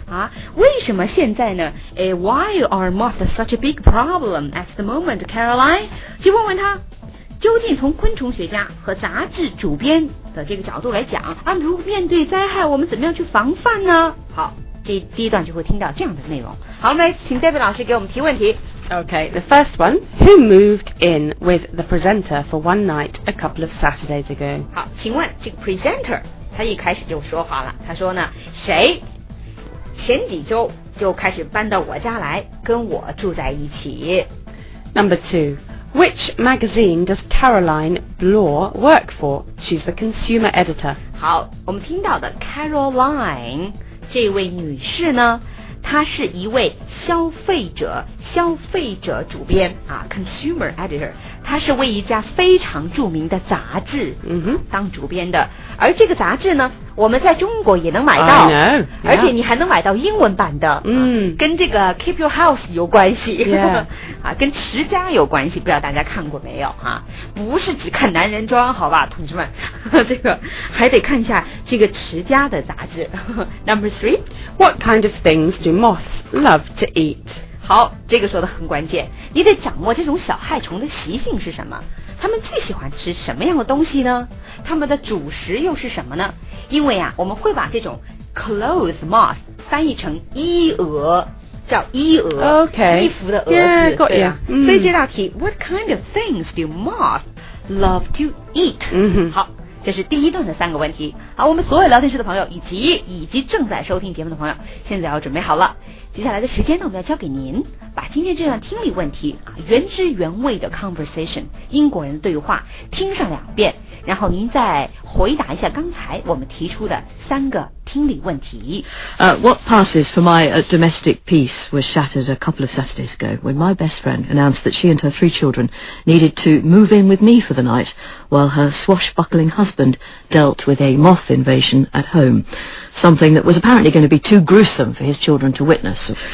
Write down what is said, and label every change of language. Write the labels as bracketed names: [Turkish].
[Chinese] 啊，为什么现在呢？哎 [English] ，Why are moths such a big problem at the moment, Caroline？ [Chinese] 去问问他。究竟从昆虫学家和杂志主编的这个角度来讲，他们如何面对灾害，我们怎么样去防范呢？好，这第一段就会听到这样的内容。好，来，请 David 老师给我们提问题。 [English] Okay, the first one. Who moved in with the presenter for one night a couple of Saturdays ago? [Chinese] 好，请问这个 presenter， 他一开始就说话了，他说呢，谁前几周就开始搬到我家来，跟我住在一起。 [English] Number two. Which magazine does Caroline Bloor work for? She's the consumer editor. [Chinese] 好，我们听到的 Caroline 这位女士呢，她是一位消费者主编啊 ，consumer editor。她是为一家非常著名的杂志当主编的。而这个杂志呢，我们在中国也能买到， [English] I know, yeah. [Chinese] 而且你还能买到英文版的。跟这个 Keep Your House 有关系， [English] yeah. [Chinese] 啊，跟持家有关系，不知道大家看过没有啊？不是只看男人装，好吧，同志们，这个还得看一下这个持家的杂志。 [English] Number three, what kind of things do moths love to eat? [Chinese] 好，这个说的很关键，你得掌握这种小害虫的习性是什么，他们最喜欢吃什么样的东西呢，他们的主食又是什么呢，因为啊我们会把这种 clothes moth 翻译成衣蛾，叫衣蛾、 [English] okay. [Chinese] 衣服的蛾子 [English] yeah, got you.、 [Chinese] 所以这道题 [English] What kind of things do moth love to eat、 [Chinese] 好，这是第一段的三个问题。好，我们所有聊天室的朋友以及正在收听节目的朋友，现在要准备好了。接下来的时间呢，我们要交给您，把今天这段听力问题啊，原汁原味的 conversation 英国人的对话听上两遍，然后您再回答一下刚才我们提出的三个听力问题。 [English] What passes for my domestic peace was shattered a couple of Saturdays ago when my best friend announced that she and her three children needed to move in with me for the night while her swashbuckling husband dealt with a moth invasion at home, something that was apparently going to be too gruesome for his children to witness.